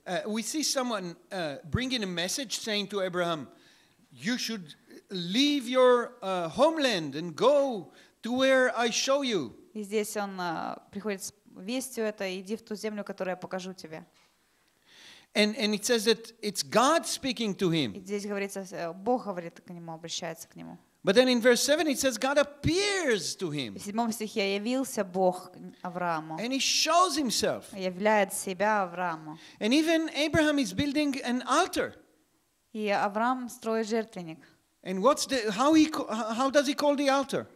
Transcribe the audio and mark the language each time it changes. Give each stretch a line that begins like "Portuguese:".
English: we see someone bringing a message saying to Abraham, you should leave your homeland and go to where I show you.
Russian: И здесь он приходит с вестью это, иди в ту землю, которую я покажу тебе.
English: And it says that it's God speaking to him.
Russian: Здесь говорится, Бог говорит к нему, обращается к нему.
English: But then in verse 7 it says God appears to him.
Russian: В 7 стихе явился Бог Аврааму.
English: And he shows himself.
Russian: Являет себя Аврааму.
English: And even Abraham is building an altar.
Russian: И Авраам строит жертвенник.
English: And what's the how does he call the altar?